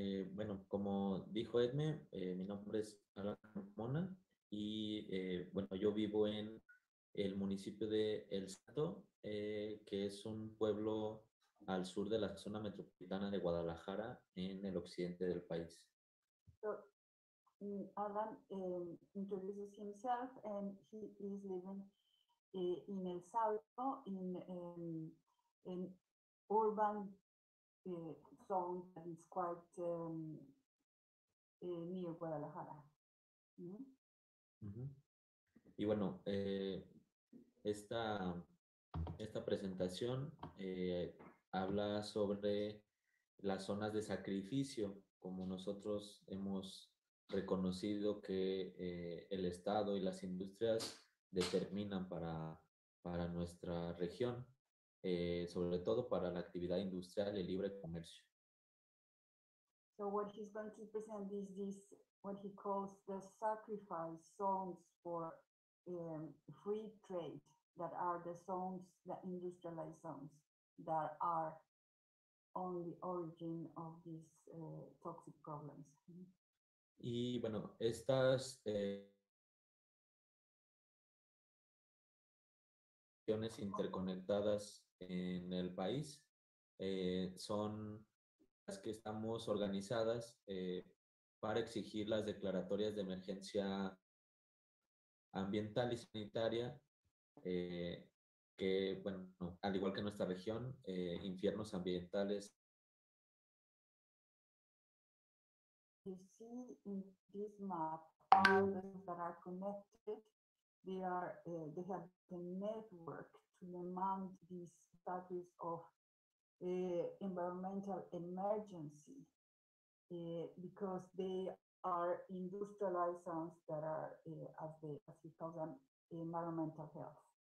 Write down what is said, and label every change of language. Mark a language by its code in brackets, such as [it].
[es] Bueno, como dijo Edme, mi nombre es Alan Mona y bueno, yo vivo en el municipio de El Salto, que es un pueblo al sur de la zona metropolitana de Guadalajara, en el occidente del país. [en] So, Alan introduces himself, and he is living in El Salto, in urban zone that is quite near Guadalajara. [es] Y bueno, esta presentación habla sobre las zonas de sacrificio, como nosotros hemos reconocido que el Estado y las industrias determinan para nuestra región, sobre todo para la actividad industrial y libre comercio. [en] So what he's going to present is this, what he calls the sacrifice zones for free trade, that are the zones, the industrialized zones, that are on the origin of these toxic problems. [es] Y bueno, estas regiones interconectadas en el país son las que estamos organizadas para exigir las declaratorias de emergencia ambiental y sanitaria. Que bueno, al igual que nuestra región, infiernos ambientales. [en] You see in this map, islands that are connected, they have the network to demand this status of environmental emergency, because they are industrialized zones that are, as he calls them, environmental health.